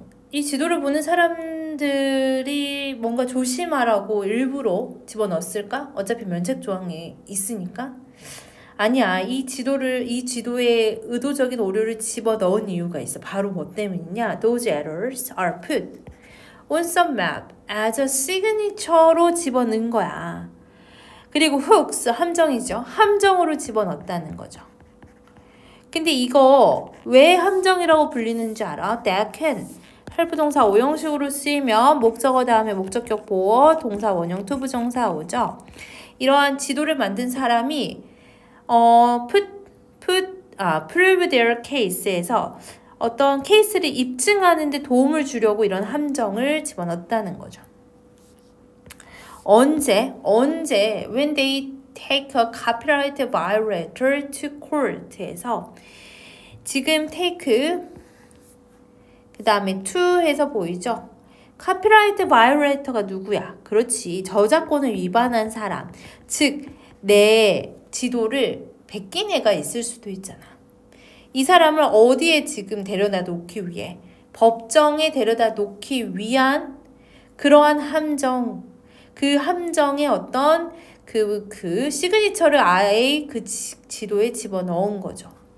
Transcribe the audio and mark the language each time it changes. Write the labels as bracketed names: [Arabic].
[Korean] 이 지도를 보는 사람들이 뭔가 조심하라고 일부러 집어넣었을까? 어차피 면책 조항이 있으니까. 아니야. 이 지도에 의도적인 오류를 집어넣은 이유가 있어. 바로 뭐 때문이냐? [English] Those errors are put on some map as a signature로 [Korean] 집어넣은 거야. 그리고 hooks, 함정이죠. 함정으로 집어넣었다는 거죠. 근데 이거 왜 함정이라고 불리는지 알아? [English] That can help [Korean] 동사 오형식으로 쓰이면 목적어 다음에 목적격 보어, 동사 원형, 투부정사 오죠. 이러한 지도를 만든 사람이 [English] prove their case [Korean] 에서 어떤 케이스를 입증하는 데 도움을 주려고 이런 함정을 집어넣었다는 거죠. 언제? [English] When they take a copyright violator to court에서 [Korean] 지금 [English] take [Korean] 그 다음에 [English] to에서 [Korean] 보이죠? copyright violator가 누구야? 그렇지. 저작권을 위반한 사람. 즉, 내 지도를 베낀 애가 있을 수도 있잖아. 이 사람을 어디에 지금 데려다 놓기 위해? 법정에 데려다 놓기 위한 그러한 함정, 그 함정의 어떤 그 시그니처를 아예 그 지도에 집어넣은 거죠.